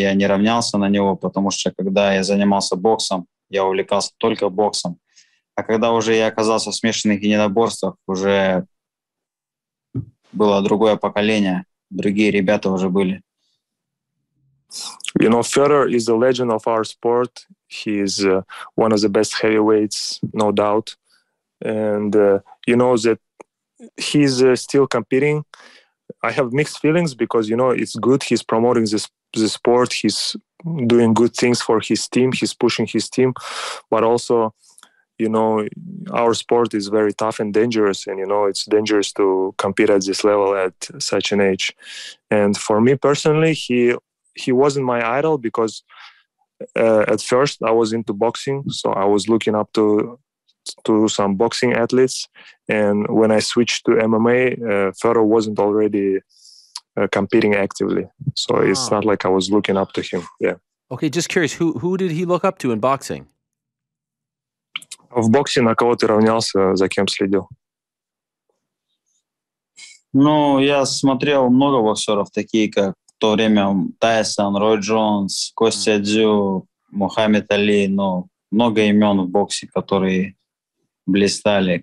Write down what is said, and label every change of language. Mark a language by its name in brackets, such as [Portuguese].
[Russian] Я не равнялся на него, потому что когда я занимался боксом, я увлекался только боксом. А когда уже я оказался в смешанных единоборствах, уже было другое поколение, другие ребята уже были. [English] You know, Федор is a legend of our sport. He is one of the best heavyweights, no doubt. And you know that he's still competing. I have mixed feelings because, you know, it's good he's promoting the sport. He's doing good things for his team, he's pushing his team, but also, you know, our sport is very tough and dangerous, and you know, it's dangerous to compete at this level at such an age. And for me personally, he wasn't my idol because at first I was into boxing, so I was looking up to some boxing athletes, and when I switched to MMA, Fedor wasn't already competing actively. So it's not like I was looking up to him. Yeah. Okay, just curious, who did he look up to in boxing? [Russian] В боксе на кого ты равнялся, за кем следил? Ну, я смотрел много боксеров, такие как в то время Тайсон, Рой Джонс, Костя Дзю, Мухаммед Али, но много имен в боксе, которые блистали.